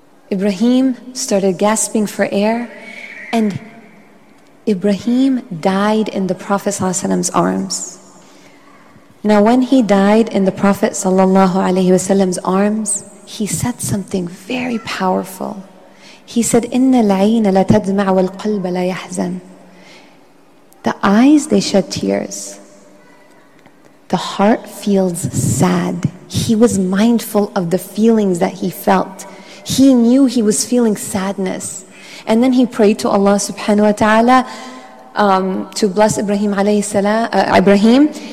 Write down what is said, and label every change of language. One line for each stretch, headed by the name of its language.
English: Ibrahim started gasping for air. And Ibrahim died in the Prophet ﷺ's arms. Now when he died in the Prophet ﷺ's arms, he said something very powerful. He said,
Arabic: إِنَّ الْعَيْنَ لَتَدْمَعَ وَالْقَلْبَ لَيَحْزَنَ.
English: The eyes, they shed tears. The heart feels sad. He was mindful of the feelings that he felt. He knew he was feeling sadness. And then he prayed to Allah subhanahu wa ta'ala to bless Ibrahim alayhi salam, Ibrahim.